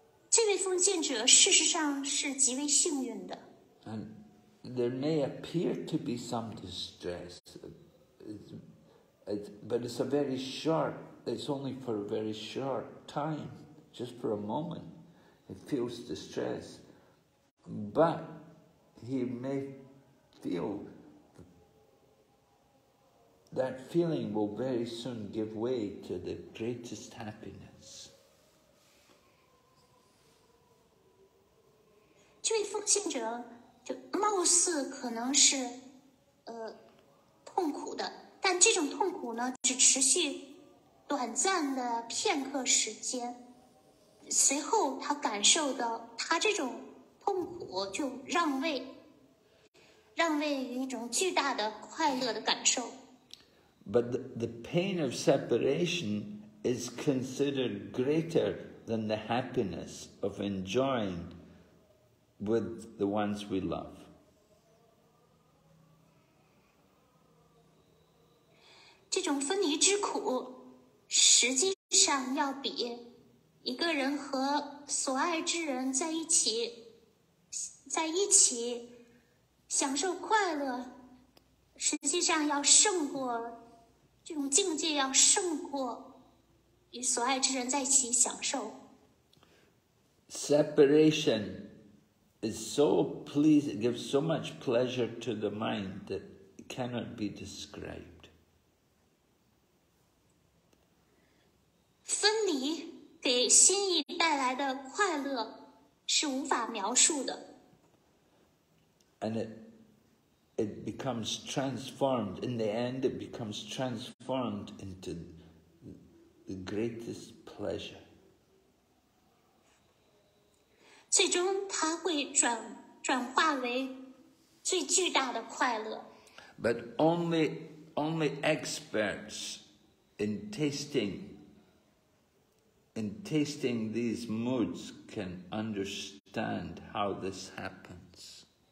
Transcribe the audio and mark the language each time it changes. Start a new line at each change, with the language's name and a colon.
Chinese: 这位奉献者事实上是极为幸运的。
English: And there may appear to be some distress, but it's a very short, it's only for a very short time, just for a moment, it feels distress. But he may feel that feeling will very soon give way to the greatest happiness.
Chinese: 这位奉献者就貌似可能是痛苦的，但这种痛苦呢只持续短暂的片刻时间，随后他感受到他这种痛苦就让位于一种巨大的快乐的感受。
English: But the pain of separation is considered greater than the happiness of enjoying with the ones we love.
Chinese: 这种分离之苦实际上要比一个人和所爱之人在一起享受快乐，实际上要胜过这种境界，要胜过与所爱之人在一起享受。
English: Separation is so pleasing, it gives so much pleasure to the mind that it cannot be described.
Chinese: 分离给心意带来的快乐是无法描述的。
English: And it becomes transformed, in the end it becomes transformed into the greatest pleasure.
Chinese: 最终它会转化为最巨大的快乐。
English: But only experts in tasting these moods can understand how this happens.